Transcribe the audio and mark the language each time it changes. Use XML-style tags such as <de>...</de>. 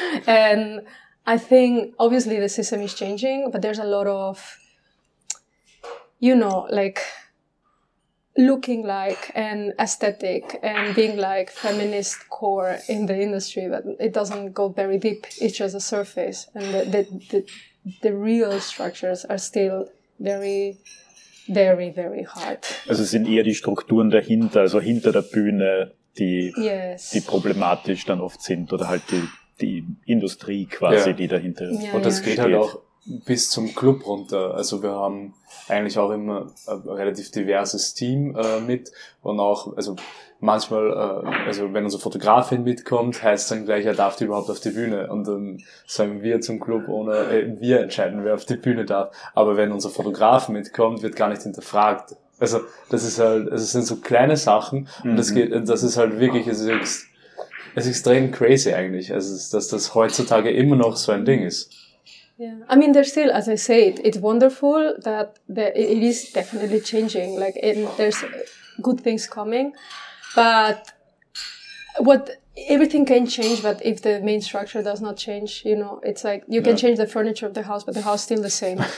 <en>And I think obviously the system is changing, but there's a lot of, you know, like looking like and aesthetic and being like feminist core in the industry, but it doesn't go very deep. It's just a surface, and the real structures are still very, very, very hard.</en> <de>Also es sind eher die Strukturen dahinter, also hinter der Bühne, die problematisch dann oft sind, oder halt die Industrie quasi, die dahinter ist. Und das geht halt auch bis zum Club runter. Also wir haben eigentlich auch immer ein relativ diverses Team mit und auch, also manchmal, also wenn unsere Fotografin mitkommt, heißt dann gleich, er darf die überhaupt auf die Bühne. Und dann sagen wir zum Club, wir entscheiden, wer auf die Bühne darf. Aber wenn unser Fotograf mitkommt, wird gar nicht hinterfragt. Also das ist halt, es sind so kleine Sachen und das ist halt wirklich, es ist extrem crazy eigentlich, also dass das heutzutage immer noch so ein Ding ist.</de> <en>Yeah, I mean, there's still, as I said, it's wonderful that it is definitely changing. Like, there's good things coming, but everything can change, but if the main structure does not change, you know, it's like, you can change the furniture of the house, but the house is still the same.</en>